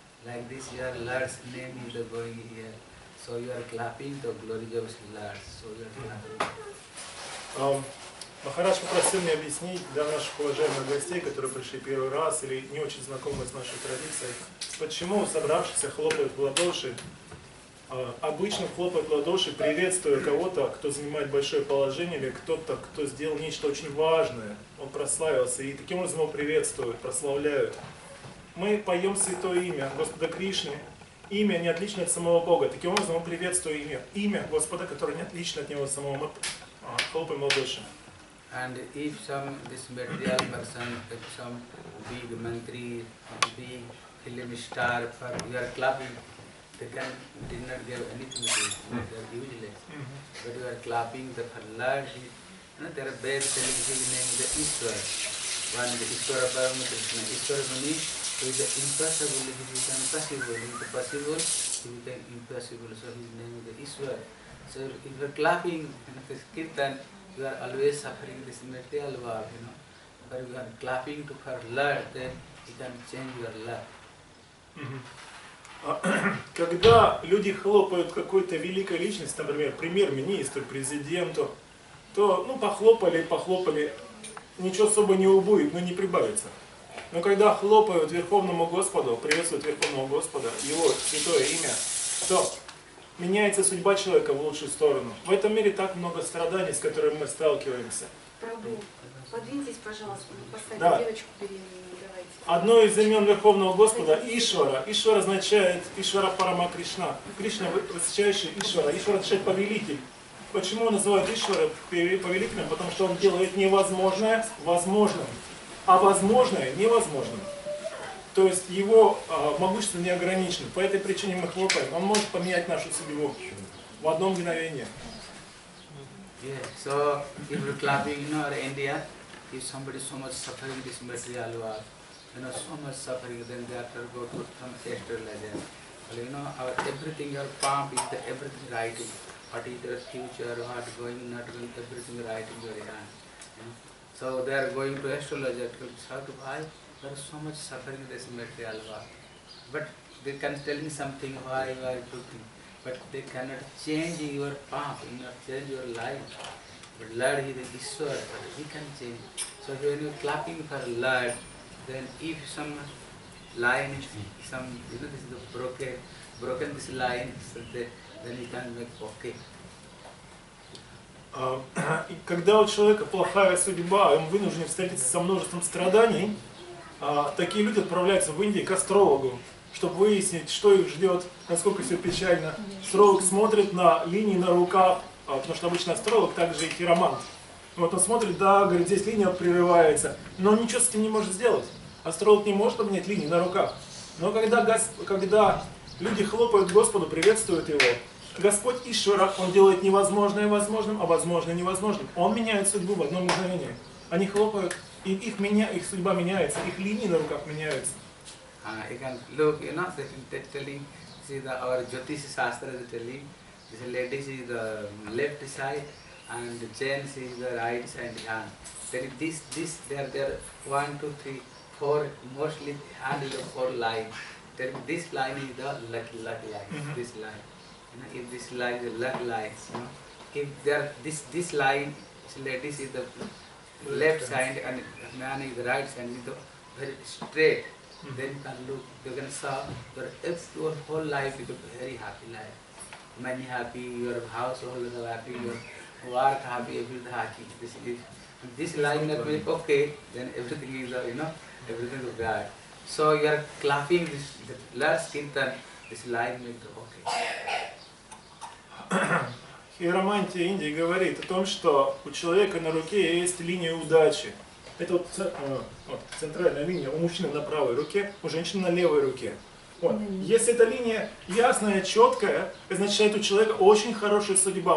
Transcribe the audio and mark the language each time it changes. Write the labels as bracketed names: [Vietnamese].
[English] Like this, your Lord's name is going here. So you are clapping the glory of Lord. So you are clapping. [Russian] Махарадж попросил мне объяснить для наших уважаемых гостей, которые пришли первый раз или не очень знакомы с нашей традицией, почему собравшиеся хлопают в ладоши, обычно хлопают в ладоши, приветствуя кого-то, кто занимает большое положение, или кто-то, кто сделал нечто очень важное, он прославился, и таким образом его приветствуют, прославляют. Мы поем святое имя Господа Кришны, имя не отлично от самого Бога, таким образом мы приветствуем имя, имя Господа, которое не отлично от Него самого, мы хлопаем в ладоши. [English] And if some this material person, if some big mantri, big film star, for you are clapping, they can did not give anything to you, they are useless. Mm-hmm. But you are clapping the Lord, you know, there are best celebrity named the Ishwar. One the Ishwar Paramakrishna. Ishwar Muni, who is the impossible, he is impossible, if the possible, he became impossible. So his name is the Ishwar. So if you are clapping in the kirtan, you are always suffering this material world, you know. But if you are clapping to her Lord, then you can change your life. [Russian] Когда люди хлопают какой-то великой личности, например, премьер-министру, президенту, то, ну, похлопали, ничего особо не убудет, но не прибавится. Но когда хлопают Верховному Господу, приветствуют Верховного Господа, Его святое имя, то меняется судьба человека в лучшую сторону. В этом мире так много страданий, с которыми мы сталкиваемся. Прабу, подвиньтесь, пожалуйста, поставьте да. Девочку беременную, давайте. Одно из имен Верховного Господа – Ишвара. Ишвара означает Ишвара Парама Кришна. Кришна – высочайший Ишвара. Ишвара означает повелитель. Почему называют Ишвара повелителем? Потому что он делает невозможное возможным, а возможное – невозможным. То есть его могущество не ограничено. По этой причине мы хлопаем. Он может поменять нашу судьбу в одно мгновение. [English] Yeah. So if you're clapping, you know, in India, if somebody so much suffering this material world, you know, so much suffering, then they have to go to some astrologer. But you know, our everything your palm is the everything writing. What is your future, what going, not going, everything writing your hand. So they are going to astrologer to survive. There is so much suffering in this material world. But they can tell me something, why you are looking. But they cannot change your path, cannot change your life. But Lord, He is the Ishwar, He can change. So when you are clapping for Lord, then if some line, some, you know, this is broken this line, so then you can make okay. [Russian] И когда у человека плохая судьба, он вынужден встретиться со множеством страданий, такие люди отправляются в Индию к астрологу, чтобы выяснить, что их ждет, насколько все печально. Астролог смотрит на линии на руках, потому что обычно астролог также и хиромант. Вот он смотрит, да, говорит, здесь линия прерывается, но он ничего с этим не может сделать. Астролог не может поменять линии на руках. Но когда люди хлопают Господу, приветствуют его, Господь Ишвара, он делает невозможное возможным, а возможное невозможным. Он меняет судьбу в одно мгновение. Они хлопают. И их судьба меняется, их линии на руках меняются. [English] You can look, you know, they're telling, see the, our Jyotish Shastra is telling, this lady is the left side, and the gents is the right side hand. There is this, there, 1, 2, 3, 4, mostly hand is the 4 line. There, this line is the luck line, mm-hmm. This line. You know, if this line is the luck line, you know, if there, this line, this lady is the left side and man is the right side, is the very straight. Mm-hmm. Then you can look, you can see your whole life is a very happy life. Money happy, your household is happy, your work happy, everything happy. This is this line is okay, then everything is, you know, everything is bad. So you are clapping this the last kirtan, this line is okay. [Russian] Хиромантия Индии говорит о том, что у человека на руке есть линия удачи. Это вот центральная линия у мужчины на правой руке, у женщины на левой руке. Вот. Если эта линия ясная, четкая, означает, у человека очень хорошая судьба.